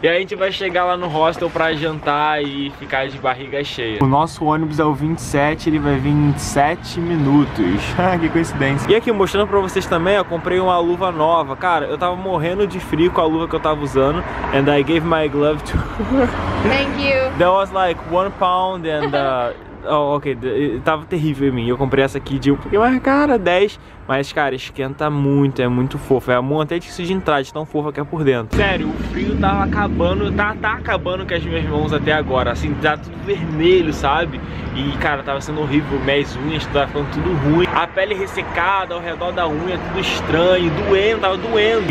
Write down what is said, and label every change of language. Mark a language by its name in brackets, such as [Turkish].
[Portuguese] E aí a gente vai chegar lá no hostel pra jantar e ficar de barriga cheia. O nosso ônibus é o 27, ele vai vir em 7 minutos. Que coincidência. E aqui, mostrando pra vocês também, eu comprei uma luva nova. Cara, eu tava morrendo de frio com a luva que eu tava usando. [English] And I gave my glove to her. Thank you. That was like 1 pound and oh, ok, [Portuguese] tava terrível em mim. Eu comprei essa aqui de um pouquinho mais cara, 10. Mas, cara, esquenta muito, é muito fofo. É a mão até difícil de entrar, de tão fofa que é por dentro. Sério, o frio tava acabando, tá acabando com as minhas mãos até agora. Assim, tá tudo vermelho, sabe? E, cara, tava sendo horrível. Minhas unhas, tava ficando tudo ruim. A pele ressecada ao redor da unha, tudo estranho, doendo, tava doendo.